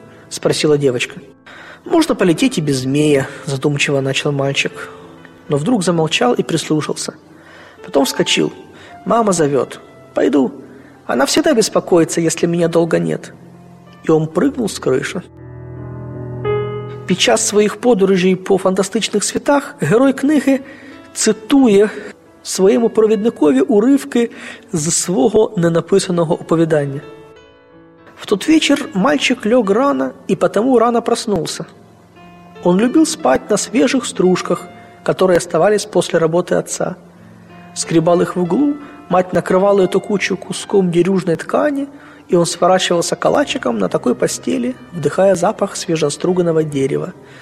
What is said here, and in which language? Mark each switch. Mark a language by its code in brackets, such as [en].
[ru] — спросила девочка. «Можно полететь и без змея», — задумчиво начал мальчик. Но вдруг замолчал и прислушался. Потом вскочил. «Мама зовет. Пойду. Она всегда беспокоится, если меня долго нет». И он прыгнул с крыши. [uk] Печас своих подорожей по фантастичных святах, герой книги цитує своєму провідникові уривки з свого ненаписаного оповідання. [ru] В тот вечер мальчик лег рано и потому рано проснулся. Он любил спать на свежих стружках, которые оставались после работы отца. Скребал их в углу, мать накрывала эту кучу куском дерюжной ткани, и он сворачивался калачиком на такой постели, вдыхая запах свежеоструганного дерева.